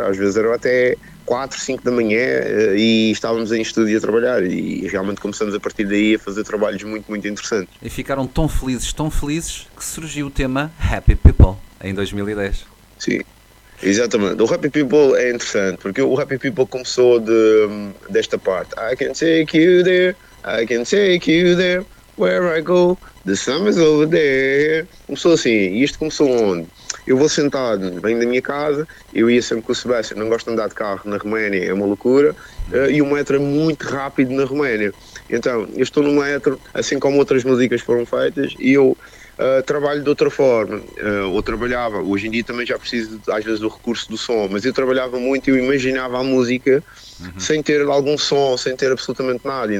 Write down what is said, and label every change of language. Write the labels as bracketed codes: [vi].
[pt] Às vezes era até 4, 5 da manhã e estávamos em estúdio a trabalhar, e realmente começamos a partir daí a fazer trabalhos muito, muito interessantes. E ficaram tão felizes, que surgiu o tema Happy People, em 2010. Sim, exatamente. O Happy People é interessante, porque o Happy People começou desta parte. [en] I can take you there, I can take you there, where I go, the summer's over there. [pt] Começou assim, e isto começou onde? Eu vou sentado, venho da minha casa, eu ia sempre com o Sebastião, não gosto de andar de carro na Roménia, é uma loucura, e o metro é muito rápido na Roménia. Então, eu estou no metro, assim como outras músicas foram feitas, e eu trabalho de outra forma, ou trabalhava, hoje em dia também já preciso às vezes do recurso do som, mas eu trabalhava muito e eu imaginava a música sem ter algum som, sem ter absolutamente nada.